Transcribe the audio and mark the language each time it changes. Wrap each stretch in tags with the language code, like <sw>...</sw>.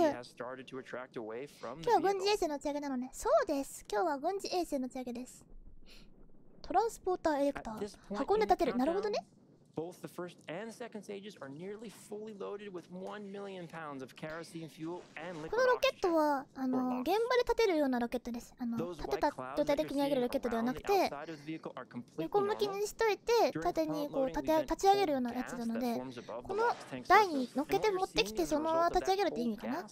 <ja>今日は軍事衛星の打ち上げなのね。そうです、今日は軍事衛星の打ち上げです。トランスポーターエレクター運んで立てる。なるほどね。</ja> <en>Both the first and second stages are nearly fully loaded with 1,000,000 pounds of kerosene fuel and liquid</en> <ja>oxygen. このロケットは現場で立てるようなロケットです。立てた状態で組み上げるロケットではなくて、横向きにしといて縦にこう立ち上げるようなやつなので、この台に乗っけて持ってきてそのまま立ち上げるって意味かな。</ja>